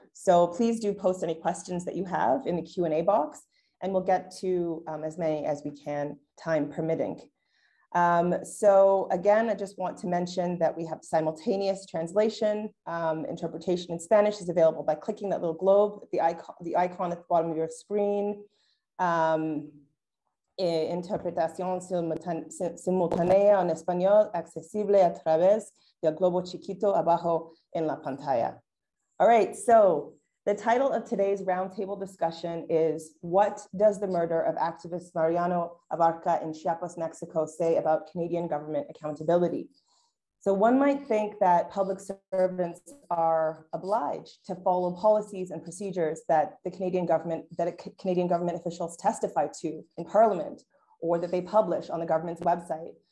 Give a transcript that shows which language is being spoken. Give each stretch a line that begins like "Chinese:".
English: So please do post any questions that you have in the Q&A box, and we'll get to as many as we can, time permitting. So again, I just want to mention that we have simultaneous translation. Interpretation in Spanish is available by clicking that little globe, the icon at the bottom of your screen.
Spanish: Interpretación simultánea en español, accesible a través del globo chiquito abajo en la pantalla.
English: All right, so the title of today's roundtable discussion is What Does the Murder of Activist Mariano Abarca in Chiapas, Mexico Say About Canadian Government Accountability? So one might think that public servants are obliged to follow policies and procedures that the Canadian government, that Canadian government officials testify to in Parliament or that they publish on the government's website.